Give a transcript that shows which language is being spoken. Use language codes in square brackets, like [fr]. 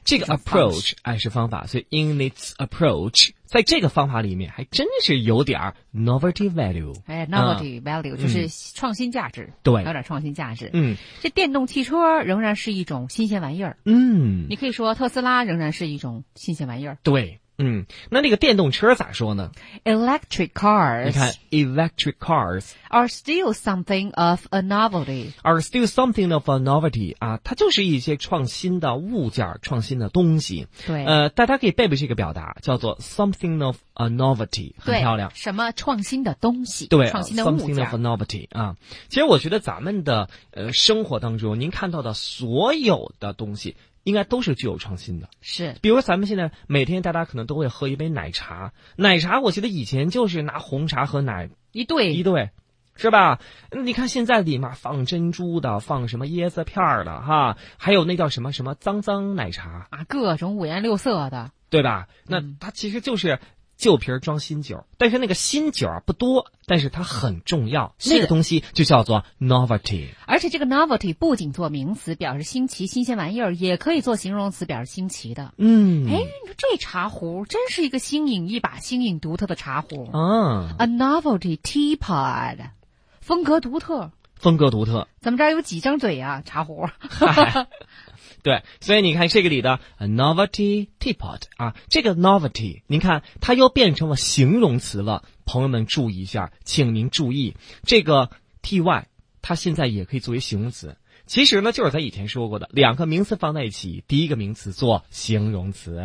[zh] 这个 approach, 哎是方法，所以 [en] in its approach, [zh] 在这个方法里面还真是有点 [en] novelty value。 [zh] 哎， [en] novelty value [zh] 就是创新价值。对。有点创新价值。嗯。这电动汽车仍然是一种新鲜玩意儿。嗯。你可以说特斯拉仍然是一种新鲜玩意儿。对。嗯，那个电动车咋说呢 [en] ？Electric cars，你看 ，electric cars are still something of a novelty. Are still something of a novelty [zh] 啊，它就是一些创新的物件，创新的东西。对，大家可以背背这个表达，叫做 [en] something of a novelty， [zh] 很漂亮。什么创新的东西？对，创新的物件。 [en] Something of a novelty [zh] 啊，其实我觉得咱们的生活当中，您看到的所有的东西。应该都是具有创新的，是。比如咱们现在每天大家可能都会喝一杯奶茶，奶茶我记得以前就是拿红茶和奶一对，是吧？你看现在里面放珍珠的，放什么椰子片的哈，还有那叫什么什么脏脏奶茶啊，各种五颜六色的，对吧？那它其实就是旧瓶装新酒，但是那个新酒不多，但是它很重要，那个东西就叫做 novelty。而且这个 novelty 不仅做名词表示新奇新鲜玩意儿，也可以做形容词表示新奇的。嗯，哎，这茶壶真是一个新颖，一把新颖独特的茶壶啊， [en] a novelty teapot， [zh] 风格独特，风格独特，怎么着有几张嘴啊，茶壶。对，所以你看这个里的 [en] a novelty teapot [zh] 啊，这个 novelty 您看它又变成了形容词了，朋友们注意一下，请您注意这个 ty 它现在也可以作为形容词，其实呢就是咱以前说过的两个名词放在一起，第一个名词做形容词，